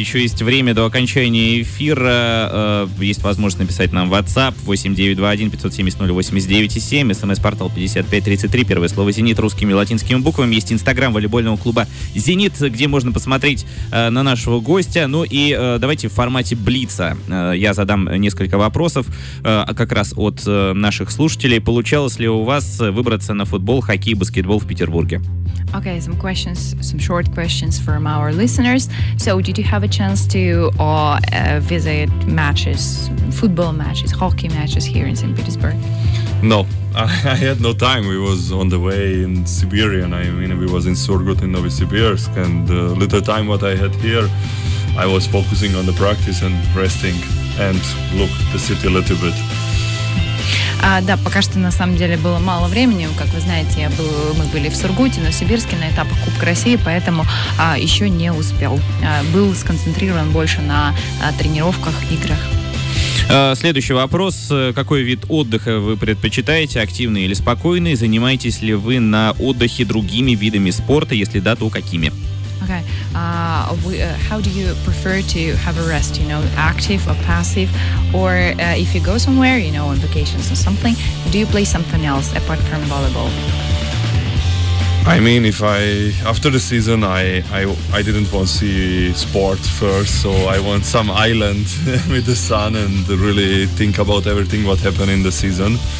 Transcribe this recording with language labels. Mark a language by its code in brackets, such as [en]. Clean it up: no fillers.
[ru] Еще есть время до окончания эфира. Есть возможность написать нам WhatsApp 8921-570-089-7, смс-портал 5533, первое слово «Зенит» русскими и латинскими буквами. Есть инстаграм волейбольного клуба «Зенит», где можно посмотреть на нашего гостя. Ну и давайте в формате блица я задам несколько вопросов, как раз от наших слушателей. Получалось ли у вас выбраться на футбол, хоккей, баскетбол в Петербурге? [en] Okay, some questions, some short questions from our listeners. So, did you have a chance to visit matches, football matches, hockey matches here in St. Petersburg? No, I had no time. We was on the way in Siberia, and I mean, we was in Surgut in Novosibirsk, and the little time what I had here, I was focusing on the practice and resting and look the city a little bit. [ru] Да, пока что на самом деле было мало времени. Как вы знаете, мы были в Сургуте, но в Сибирске на этапах Кубка России, поэтому еще не успел. Был сконцентрирован больше на тренировках, играх. Следующий вопрос. Какой вид отдыха вы предпочитаете, активный или спокойный? Занимаетесь ли вы на отдыхе другими видами спорта? Если да, то какими? [en] Okay. How do you prefer to have a rest? You know, active or passive, or if you go somewhere, you know, on vacations or something, do you play something else apart from volleyball? I mean, if I after the season, I didn't want to see sport first, so I want some island with the sun and really think about everything what happened in the season.